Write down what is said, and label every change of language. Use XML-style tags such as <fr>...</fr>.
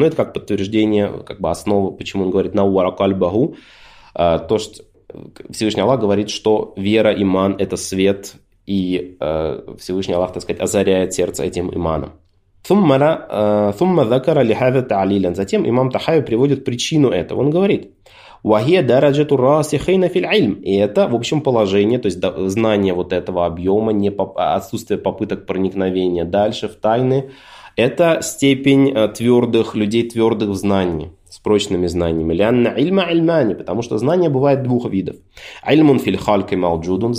<ru>Но это как подтверждение, как бы основа, почему он говорит</ru> <ar>«наура кальбаху»,</ar> <ru>то, что Всевышний Аллах говорит, что вера, иман – это свет и Всевышний Аллах, так сказать, озаряет сердце этим иманом.</ru> <ar>ثم ذكر لهذا تعليلا.</ar> <ru>Затем имам Тахави приводит причину этого. Он говорит:</ru> <ar>وَهِيَ دَرَجَةُ الرَّاسِخِينَ فِي الْعِلْمِ.</ar> <ru>И это, в общем, положение, то есть знание вот этого объема, отсутствие попыток проникновения дальше в тайны. Это степень твердых людей, твердых в знании, с прочными знаниями.</ru> <ar>لَنَّ عِلْمَ عِلْمَانِ.</ar> <ru>Потому что знание бывает двух видов.</ru> <ar>عِلْمٌ فِي الْخَلْقِ مَوْجُودٌ.</ar>